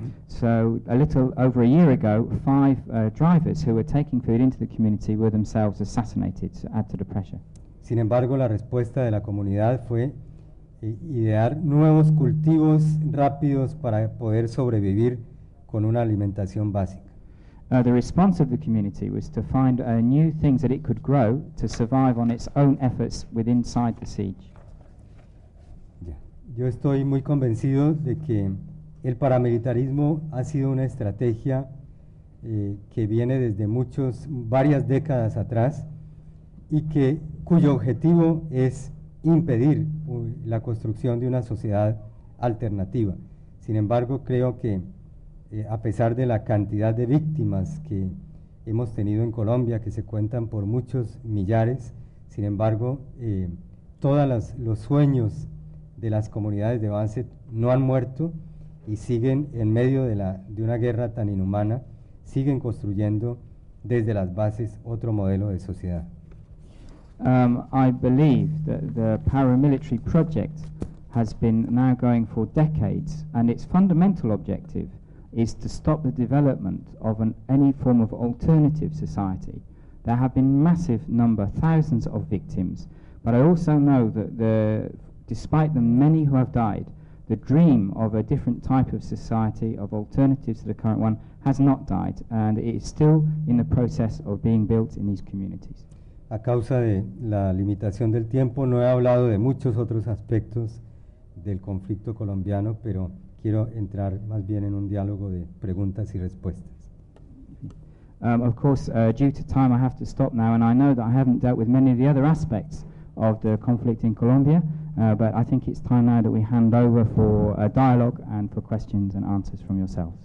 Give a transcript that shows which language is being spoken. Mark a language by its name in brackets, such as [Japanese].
[English] So a little over a year ago, five drivers who were taking food into the community were themselves assassinated to add to the pressure. [Spanish] Sin embargo, la respuesta de la comunidad fue idear nuevos cultivos rápidos para poder sobrevivir con una alimentación básica. [English] The response of the community was to find new things that it could grow to survive on its own efforts with inside the siege. Yeah. [Spanish] Yo estoy muy convencido de que el paramilitarismo ha sido una estrategia que viene desde varias décadas atrás y que cuyo objetivo es impedir la construcción de una sociedad alternativa. Sin embargo, creo que a pesar de la cantidad de víctimas que hemos tenido en Colombia, que se cuentan por muchos millares, sin embargo, todos los sueños de las comunidades de base no han muerto y siguen en medio de una guerra tan inhumana, siguen construyendo desde las bases otro modelo de sociedad. [English] I believe that the paramilitary project has been now going for decades, and its fundamental objective is to stop the development of any form of alternative society. There have been massive number, thousands of victims, but I also know that despite the many who have died, the dream of a different type of society, of alternatives to the current one, has not died, and it is still in the process of being built in these communities. [Spanish] A causa de la limitación del tiempo, no he hablado de muchos otros aspectos del conflicto colombiano, pero quiero entrar más bien en un diálogo de preguntas y respuestas. [English] Of course, due to time, I have to stop now, and I know that I haven't dealt with many of the other aspects of the conflict in Colombia, but I think it's time now that we hand over for a dialogue and for questions and answers from yourselves.